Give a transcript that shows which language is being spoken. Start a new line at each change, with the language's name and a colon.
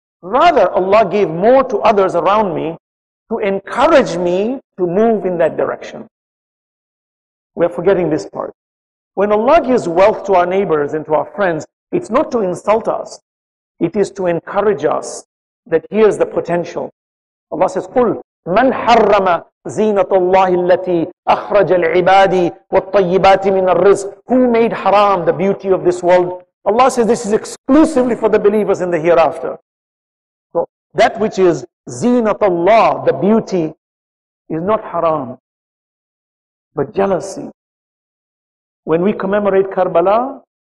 English: Rather, Allah gave more to others around me to encourage me to move in that direction. We're forgetting this part. When Allah gives wealth to our neighbors and to our friends, it's not to insult us. It is to encourage us that here's the potential. Allah says,
Arabic: قُلْ مَنْ حَرَّمَ زِينَةَ اللَّهِ الَّتِي أَخْرَجَ الْعِبَادِ وَالطَّيِّبَاتِ مِنَ الرِّزْقِ.
English: Who made haram the beauty of this world? Allah says this is exclusively for the believers in the hereafter. That which is zinatullah, the beauty, is not haram, but jealousy. When we commemorate Karbala,